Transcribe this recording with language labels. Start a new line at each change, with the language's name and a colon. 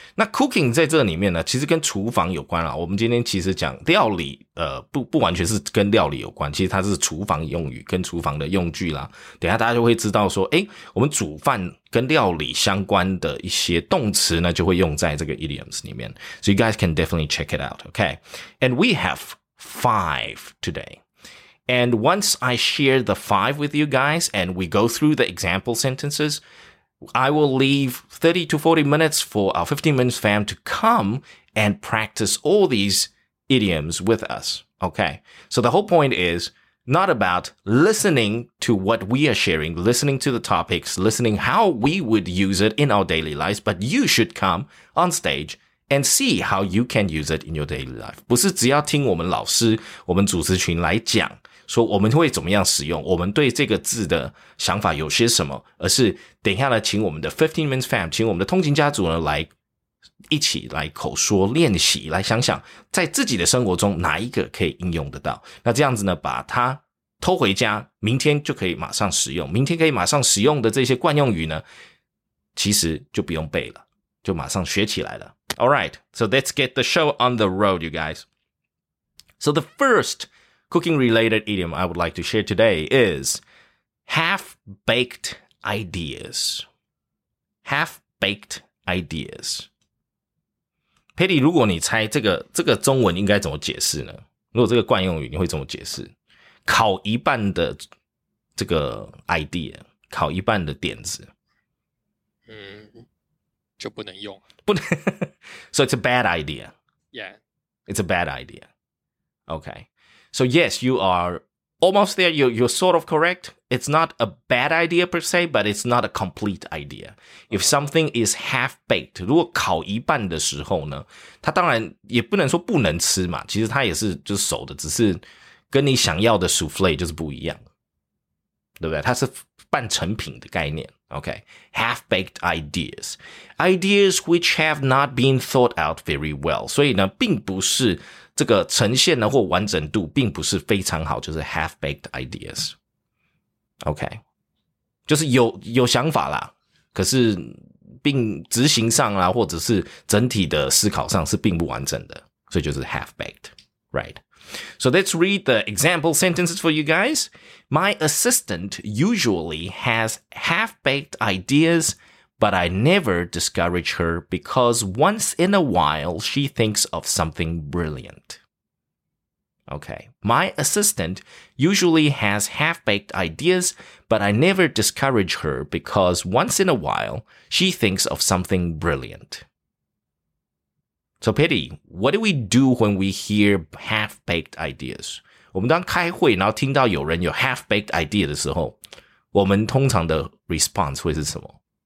Chinese: 那 cooking 在这里面呢，其实跟厨房有关啊。我们今天其实讲料理，不完全是跟料理有关，其实它是厨房用语跟厨房的用具啦。等一下大家就会知道说，诶，我们煮饭跟料理相关的一些动词呢，就会用在这个 idioms 里面。
English: So you guys can definitely check it out, okay? And we have five today. And once I share the five with you guys and we go through the example sentences, I will leave 30 to 40 minutes for our 15 minutes fam to come and practice all these idioms with us, okay? So the whole point is,not about listening to what we are sharing, listening to the topics, listening how we would use it in our daily lives, but you should come on stage and see how you can use it in your daily life.
Chinese: 不是只要听我们老师、我们主持群来讲说我们会怎么样使用，我们对这个字的想法有些什么，而是等一下来请我们的 15 Minutes Fam, 请我们的通勤家族呢来一起来口说练习，来想想在自己的生活中哪一个可以应用得到。那这样子呢，把它偷回家，明天就可以马上使用。明天可以马上使用的这些惯用语呢，其实就不用背了。就马上学起来了。
English: Alright, so let's get the show on the road, you guys. So the first cooking-related idiom I would like to share today is half-baked ideas. Half-baked ideas.
Chinese: Patty, 如果你猜这个中文应该怎么解释呢？如果这个惯用语，你会怎么解释？烤一半的这个 idea， 烤一半的点子，就不能用，不能。
English: So it's a bad idea. Yeah, it's a bad idea. Okay, so yes, you are almost there. You're sort of correct. It's not a bad idea per se, but it's not a complete idea. If something is half baked,
Chinese: 如果烤一半的时候呢，它当然也不能说不能吃嘛。其实它也是就是熟的，只是跟你想要的 souffle 就是不一样，对不对？它是半成品的概念。
English: Okay, half-baked ideas. Ideas which have not been thought out very well.
Chinese: 所以呢，并不是这个呈现呢，或完整度并不是非常好，就是 half-baked ideas.
English: Okay.
Chinese: 就是有想法啦，可是并执行上啦，或者是整体的思考上是并不完整的，所以就是 half-baked.
English: Right. So let's read the example sentences for you guys. My assistant usually has half-baked ideas, but I never discourage her because once in a while she thinks of something brilliant. Okay. My assistant usually has half-baked ideas, but I never discourage her because once in a while she thinks of something brilliant. So, Patty, what do we do when we hear half-baked ideas?
Chinese: 我们当开会然后听到有人有 half-baked idea 的时候，我们通常的 response 会是什么？